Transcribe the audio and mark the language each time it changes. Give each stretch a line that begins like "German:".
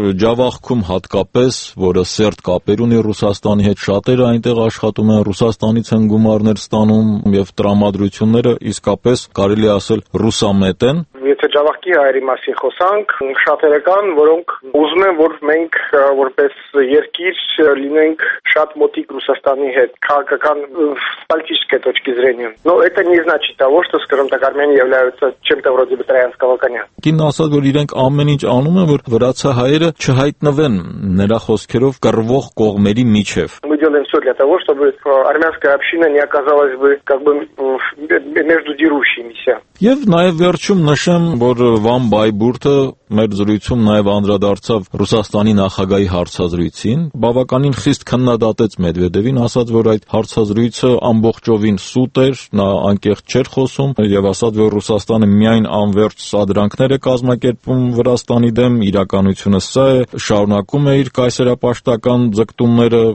Armenian: ջավախքում հատկապես, որը սերտ կապեր ունի Ռուսաստանի հետ, շատերը այնտեղ աշխատում են, Ռուսաստանից են գումարներ ստանում, եւ տրամադրությունները իսկապես կարելի ասել ռուսամետ են։ Եթե ջավախքի հայերի մասին խոսանք, շատերը կան, որոնք ուզում են, որ մենք որպես երկիր լինենք շատ մոտիկ Ռուսաստանի հետ, քաղաքական պոլիտիկ
Russian: точки зрения. Но это не значит того, что, скажем так, армяне являются чем-то вроде батраянского коня.
Armenian: Կինն ասաց, որ իրենք ամեն ինչ անում են, որ վրացահայերը չհայտնվեն նրա խոսքերով կռվող կողմերի միջև։
Russian: Мы делаем всё для того, чтобы армянская община не оказалась бы как бы между дерущимися.
Armenian: Եվ նաև վերջում նշեմ, որ Վան Բայբուրթը մեր զրույցում նաև անդրադարձավ Ռուսաստանի նախագահի հարցազրույցին, բավականին խիստ քննադատեց Մեդվեդևին, ասած, որ այդ հարցազրույցը ամբողջովին սուտ էր, նա անկեղծ չէր խոսում, եւ ասած, որ Ռուսաստանը միայն անվերջ սադրանքներ է կազմակերպում Վրաստանի դեմ, իրականությունը սա է, շարունակում է իր կայսերապաշտական ձգտումները,